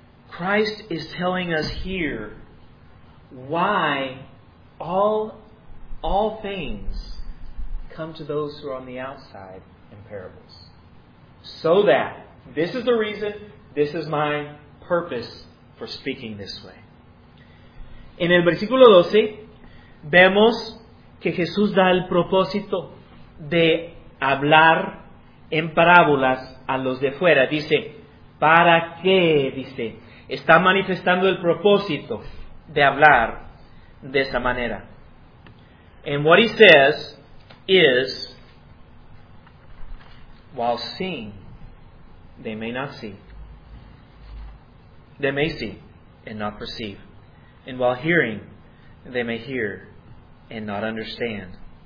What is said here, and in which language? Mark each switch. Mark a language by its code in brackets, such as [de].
[en] Christ is telling us here why all things come to those who are on the outside in parables. So that, this is the reason, this is my purpose for speaking this way. [es] En el versículo 12, vemos que Jesús da el propósito de hablar en parábolas a los de fuera. Dice, ¿para qué? Dice, está manifestando el propósito de hablar de esa manera. [en] And what he says is, while seeing, they may not see. They may see and not perceive. And while hearing, they may hear and not understand.